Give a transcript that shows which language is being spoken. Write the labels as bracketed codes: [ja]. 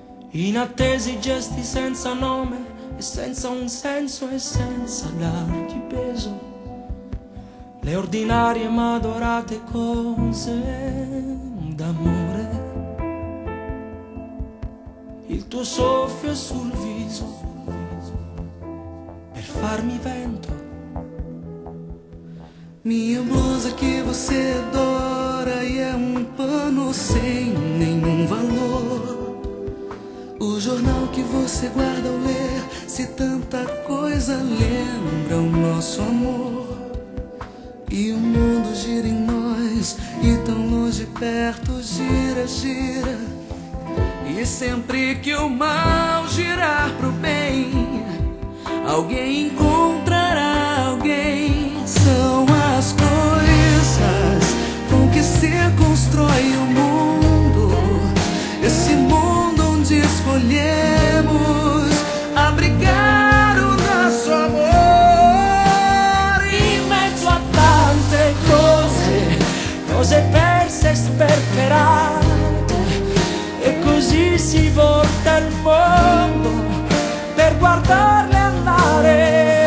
[it] Inattesi gesti senza nome e senza un senso e senza dargli peso. Le ordinarie ma adorate cose d'amore. Il tuo soffio sul viso per farmi vento. [pt] Minha blusa que você adora e é um pano sem nenhum valor. O jornal que você guarda ao ler, se tanta coisa lembra o nosso amor. E o mundo gira em nós e tão longe perto gira, gira. E sempre que o mal girar pro bem, alguém encontrará alguém. São as coisas com que se constrói o mundo, esse mundo onde escolhemos abrigar o nosso amor. [it] In mezzo a tante cose, cose perse e sperperate, e così si volta il mondo per guardarle andare.